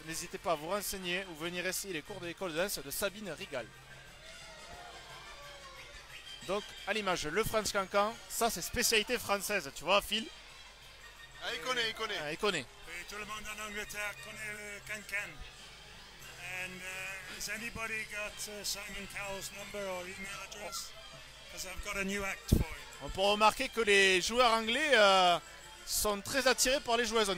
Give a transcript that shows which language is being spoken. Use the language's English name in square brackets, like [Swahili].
[French] N'hésitez pas à vous renseigner ou venir essayer les cours de l'école de danse de Sabine Rigal. Donc à l'image, le French Cancan, ça c'est spécialité française, tu vois Phil. Ah, il connaît. Ah, il connaît. Et tout le monde en Angleterre connaît le Cancan. [English] And has anybody got Simon Cowell's number or email address? Because I've got a new act for you. [French] On peut remarquer que les joueurs anglais sont très attirés par les joueuses.